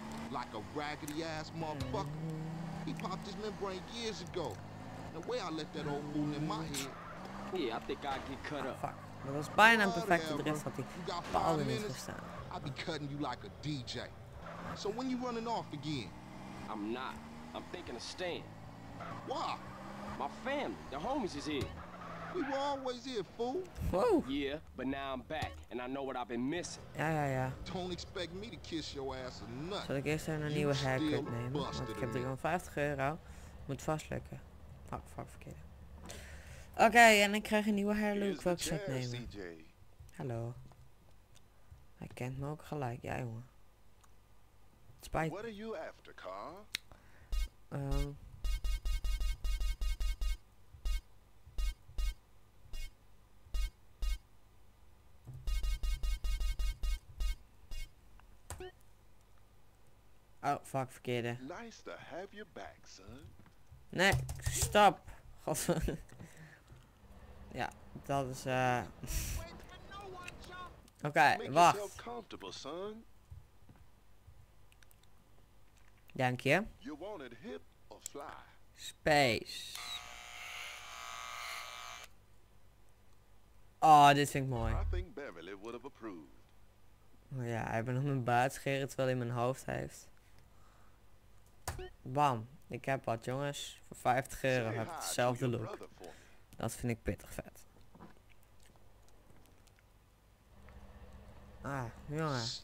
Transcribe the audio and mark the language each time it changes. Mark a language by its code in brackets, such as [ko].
[en] Like a raggedy ass motherfucker. He popped his membrane years ago. The way I left that old fool in my head, Yeah, I think I get cut up. Fuck. [nl] Dat was bijna een perfecte drift, had hij bepaalde niet gestaan. [en] I'll be cutting you like a DJ. So when you running off again? I'm not. I'm thinking of staying. Why? My family, the homies is here. We were always here, fool. Whoa. Yeah, but now I'm back, and I know what I've been missing. Yeah, yeah, yeah. Don't expect me to kiss your ass or nothing. [nl] Zal ik eerst even een nieuwe haircut nemen? Want ik heb €350. Moet vast lukken. Fuck, fuck, verkeerde. Okay, en ik krijg een nieuwe hairlook. Wat ik zou nemen. CJ. Hallo. Hij kent me ook gelijk. Ja, jongen. Spijt. [en] What are you after, Carl? [nl] Oh, fuck, verkeerde. [en] Nice to have you back, son. [nl] Nee, stop. God. Ja, dat is Oké, wacht. [en] Make yourself comfortable, son. [nl] Dank je. [en] You want it hip or fly? Space. [nl] Oh, dit vind ik mooi. [en] I think Beverly would have approved. [nl] Ja, hij heeft nog mijn baard scheren terwijl hij mijn hoofd heeft. Bam, ik heb wat jongens. Voor €50 heb ik hetzelfde look. Dat vind ik pittig vet. Ah, jongen.